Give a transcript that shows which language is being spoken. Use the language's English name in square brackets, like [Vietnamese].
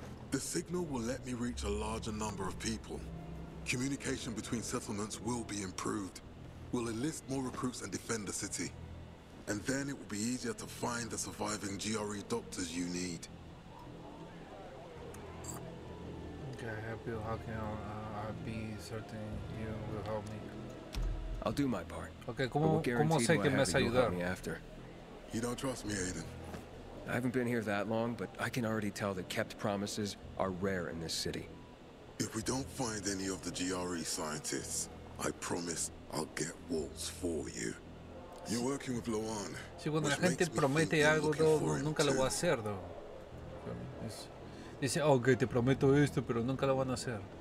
[English] The signal will let me reach a larger number of people. Communication between settlements will be improved. We'll enlist more recruits and defend the city. And then it will be easier to find the surviving GRE doctors you need. Can I help you? How can I be certain you will help me? I'll do my part. [Spanish] Okay, ¿cómo sé que me vas a ayudar? [English] You don't trust me, Aiden. I haven't been here that long, but I can already tell that kept promises are rare in this city. If we don't find any of the GRE scientists, I promise I'll get Waltz for you. You're working with Luan. [Spanish] Sí, cuando la gente promete algo, nunca lo va a hacer, ¿no? Dice, ok, te prometo esto, pero nunca lo van a hacer.